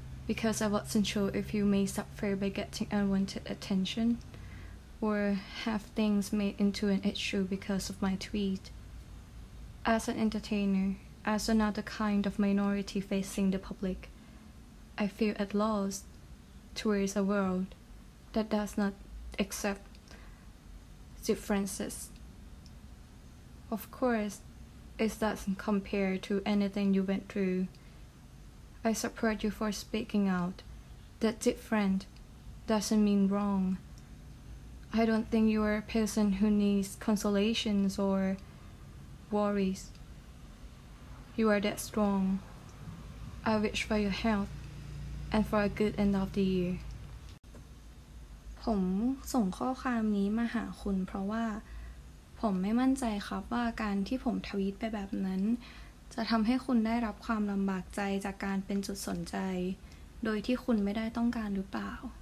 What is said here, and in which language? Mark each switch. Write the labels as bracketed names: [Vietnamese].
[English] because I wasn't sure if you may suffer by getting unwanted attention or have things made into an issue because of my tweet as an entertainerAs another kind of minority facing the public, I feel at loss towards a world that does not accept differences. Of course, it doesn't compare to anything you went through. I support you for speaking out that different doesn't mean wrong. I don't think you are a person who needs consolations or worries. You are that strong. I wish for your health and for a good end of the year. [Thai] ผมส่งข้อความนี้มาหาคุณเพราะว่าผมไม่มั่นใจครับว่าการที่ผมทวีตไปแบบนั้นจะทำให้คุณได้รับความลำบากใจจากการเป็นจุดสนใจโดยที่คุณไม่ได้ต้องการหรือเปล่า